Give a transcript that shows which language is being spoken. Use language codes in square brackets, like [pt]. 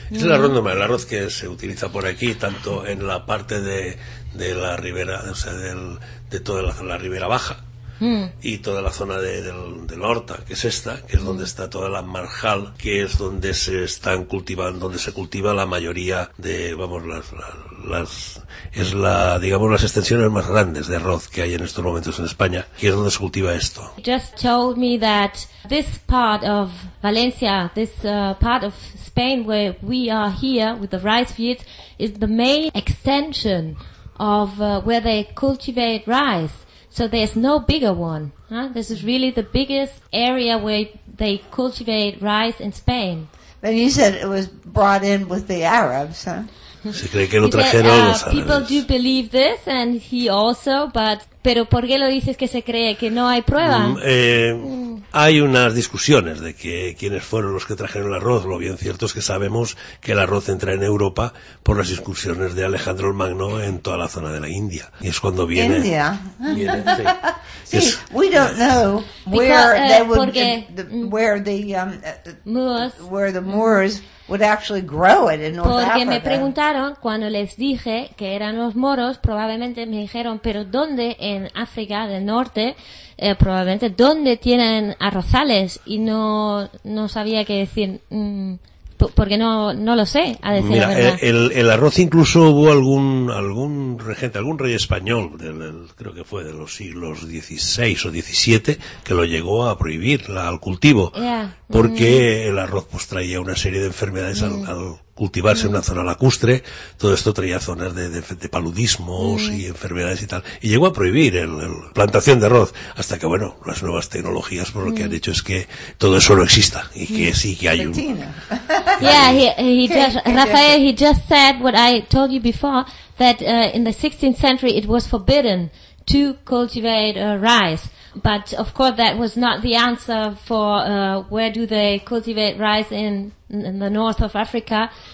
[es] Es el arroz normal, el arroz que se utiliza por aquí, tanto en la parte de la ribera, o sea, de toda la ribera baja y toda la zona del Horta, que es esta, que es donde está toda la marjal, que es donde se están cultivando, donde se cultiva la mayoría de, vamos, las es la, digamos, las extensiones más grandes de arroz que hay en estos momentos en España, que es donde se cultiva esto. [en] Just told me that this part of Valencia, this part of Spain where we are here with the rice fields, is the main extension of where they cultivate rice. So there's no bigger one. Huh? This is really the biggest area where they cultivate rice in Spain. Then you said it was brought in with the Arabs, huh? [es] Se cree que lo trajeron los árabes. [en] People do believe this, and he also, but... [es] ¿Pero por qué lo dices que se cree? ¿Que no hay prueba? Hay unas discusiones de que quiénes fueron los que trajeron el arroz. Lo bien cierto es que sabemos que el arroz entra en Europa por las incursiones de Alejandro el Magno en toda la zona de la India. Y es cuando viene... ¿India? Viene, sí. [en] Sí, we don't know where the Moors would actually grow it in North [es] Porque Me preguntaron, cuando les dije que eran los moros, probablemente me dijeron, ¿pero dónde en África del Norte, probablemente, dónde tienen arrozales? Y no sabía qué decir, porque no lo sé, a decir Mira, la verdad. El arroz, incluso hubo algún regente, algún rey español, creo que fue de los siglos XVI o XVII, que lo llegó a prohibir al cultivo, porque el arroz pues traía una serie de enfermedades al cultivarse en una zona lacustre. Todo esto traía zonas de paludismos y enfermedades y tal, y llegó a prohibir el plantación de arroz, hasta que bueno, las nuevas tecnologías por lo que han hecho es que todo eso no exista y que sí que hay un [en] Rafael, he just said what I told you before, that in the 16th century it was forbidden to cultivate rice. But of course that was not the answer for where do they cultivate rice in the north of Africa.